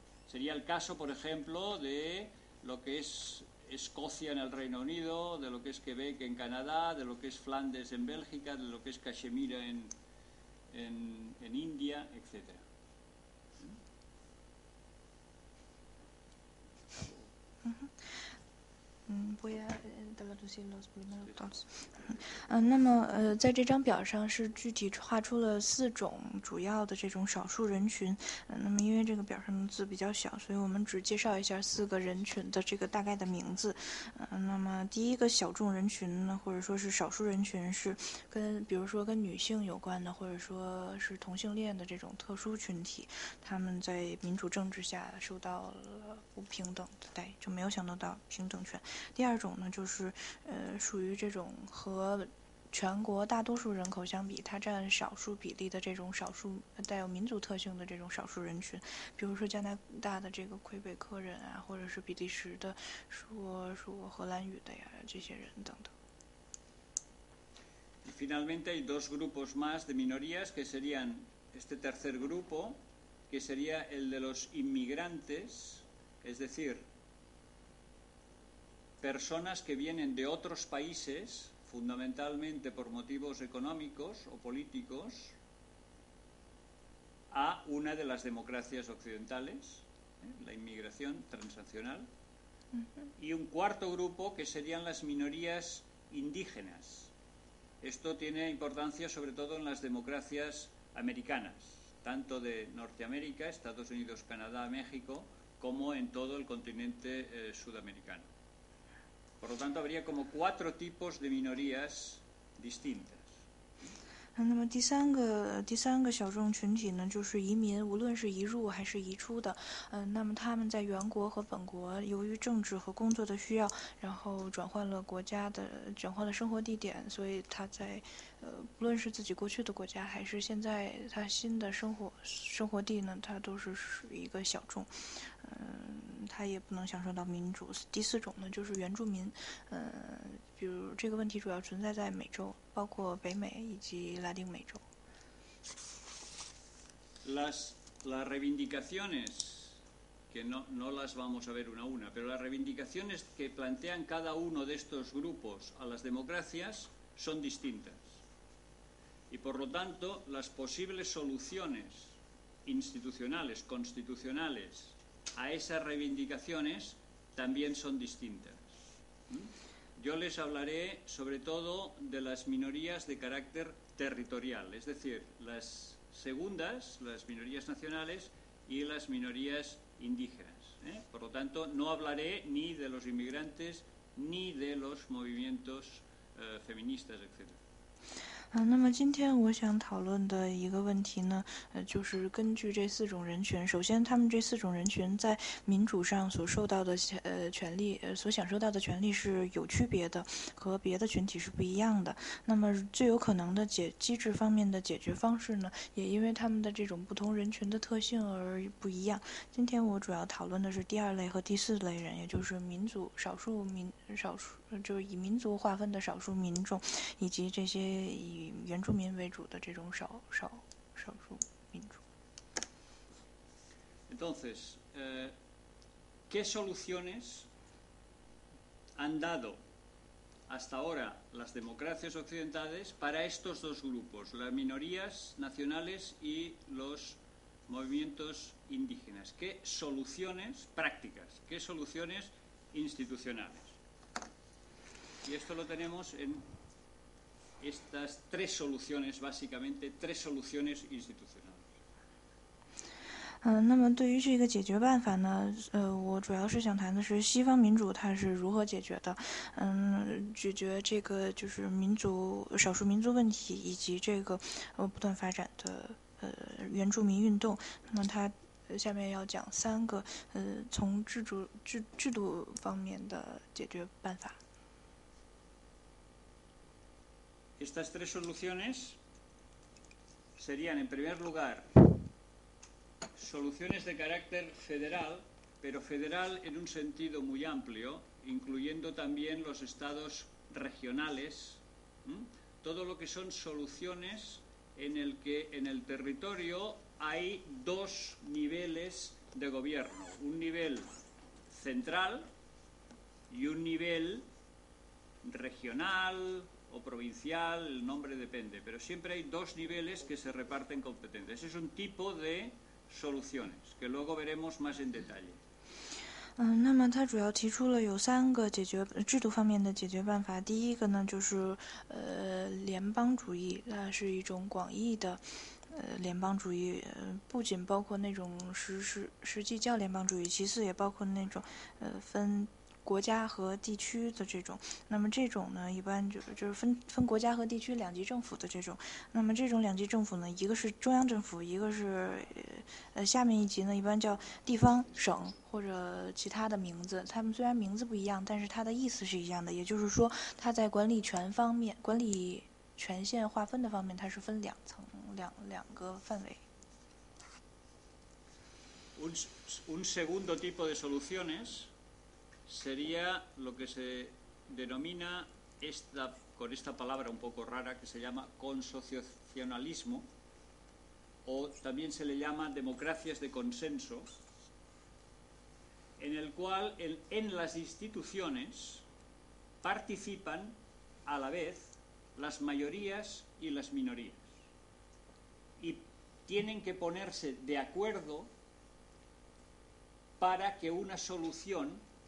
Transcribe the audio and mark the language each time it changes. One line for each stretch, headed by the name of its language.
Spanish: Sería el caso, por ejemplo, de lo que es Escocia en el Reino Unido, de lo que es Quebec en Canadá, de lo que es Flandes en Bélgica, de lo que es Cachemira en India, etc. Voy a traducir los primeros dos.
Chinese: 那么在这张表上是具体画出了四种主要的这种少数人群。那么因为这个表上的字比较小，所以我们只介绍一下四个人群的这个大概的名字。那么第一个小众人群呢，或者说是少数人群，是跟比如说跟女性有关的，或者说是同性恋的这种特殊群体，他们在民主政治下受到了不平等的待遇，就没有享受到平等权。第二种呢，就是属于这种和全国大多数人口相比，它占少数比例的这种少数带有民族特性的这种少数人群，比如说加拿大的这个魁北克人啊，或者是比利时的说荷兰语的呀，这些人等等。
Spanish: Y finalmente hay dos grupos más de minorías que serían este tercer grupo, que sería el de los inmigrantes, es decir, personas que vienen de otros países, fundamentalmente por motivos económicos o políticos, a una de las democracias occidentales, la inmigración transnacional, y un cuarto grupo que serían las minorías indígenas. Esto tiene importancia sobre todo en las democracias americanas, tanto de Norteamérica, Estados Unidos, Canadá, México, como en todo el continente sudamericano. Por lo tanto, habría como cuatro tipos de minorías distintas。
Chinese: 那么第三个小众群体呢，就是移民，无论是移入还是移出的，那么他们在原国和本国由于政治和工作的需要，然后转换了生活地点，所以他在不论是自己过去的国家还是现在他新的生活地呢，他都是属于一个小众，他也不能享受到民主。第四种呢，就是原住民，比如这个问题主要存在在美洲，包括北美以及拉丁美洲。
Spanish: Las las reivindicaciones, que no las vamos a ver una a una, pero las reivindicaciones que plantean cada uno de estos grupos a las democracias son distintas. Y por lo tanto, las posibles soluciones institucionales, constitucionales, a esas reivindicaciones también son distintas. Yo les hablaré sobre todo de las minorías de carácter territorial, es decir, las segundas, las minorías nacionales y las minorías indígenas. Por lo tanto, no hablaré ni de los inmigrantes ni de los movimientos feministas, etc.
Chinese: 那么今天我想讨论的一个问题呢，就是根据这四种人群，首先他们这四种人群在民主上所受到的权利，所享受到的权利是有区别的，和别的群体是不一样的。那么最有可能的机制方面的解决方式呢，也因为他们的这种不同人群的特性而不一样。今天我主要讨论的是第二类和第四类人，也就是民族少数民少数。就是以民族划分的少数民众，以及这些以原住民为主的这种少数民众。
Spanish: Entonces, ¿qué soluciones han dado hasta ahora las democracias occidentales para estos dos grupos, las minorías nacionales y los movimientos indígenas? ¿Qué soluciones prácticas? ¿Qué soluciones institucionales? Y esto lo tenemos en estas tres soluciones, básicamente, tres soluciones institucionales.
Chinese: 那么对于这个解决办法呢，我主要是想谈的是西方民主它是如何解决的，解决这个就是民族少数民族问题以及这个不断发展的原住民运动。那么它下面要讲三个从制度方面的解决办法。
Spanish: Estas tres soluciones serían, en primer lugar, soluciones de carácter federal, pero federal en un sentido muy amplio, incluyendo también los estados regionales, todo lo que son soluciones en el que en el territorio hay dos niveles de gobierno, un nivel central y un nivel regional,o provincial, el nombre depende, pero siempre hay dos niveles que se reparten competencias. Es un tipo de soluciones que luego veremos más en detalle.
Chinese: 那么他主要提出了有三个解决制度方面的解决办法。第一个呢，就是联邦主义，那是一种广义的联邦主义，不仅包括那种实际叫联邦主义，其次也包括那种分。国家和地区的这种，那么这种呢，一般就是分国家和地区两级政府的这种，那么这种两级政府呢，一个是中央政府，一个是下面一级呢，一般叫地方省或者其他的名字。他们虽然名字不一样，但是它的意思是一样的，也就是说，它在管理权方面、管理权限划分的方面，它是分两层两个范围。
Spanish: Un segundo tipo de soluciones. Sería lo que se denomina con esta palabra un poco rara que se llama consociacionalismo o también se le llama democracias de consenso, en el cual en las instituciones participan a la vez las mayorías y las minorías y tienen que ponerse de acuerdo para que una solución.